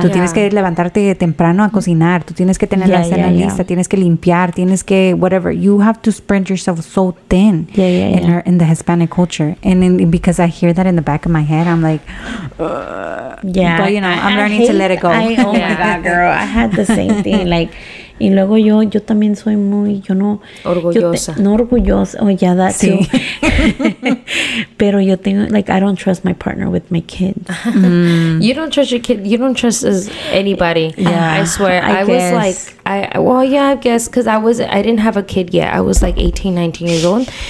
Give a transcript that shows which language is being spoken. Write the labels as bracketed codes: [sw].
[es] Tú tienes que levantarte temprano a cocinar. Tú tienes que tener la cena lista. Tienes que limpiar. Tienes que whatever. [en] You have to spread yourself so thin in the Hispanic culture. And because I hear that in the back of my head, I'm like, But, you know, I'm learning to let it go. Oh, my God, girl. I had the same thing. [es] Like, y luego yo también soy muy, yo no... Orgullosa. No orgullosa. [en] Oh, yeah, that sí. too. [es] Pero yo tengo, [en] like, I don't trust my partner with my kids. You don't trust your kid. You don't trust anybody. Yeah. I swear. I didn't have a kid yet. I was like 18, 19 years old.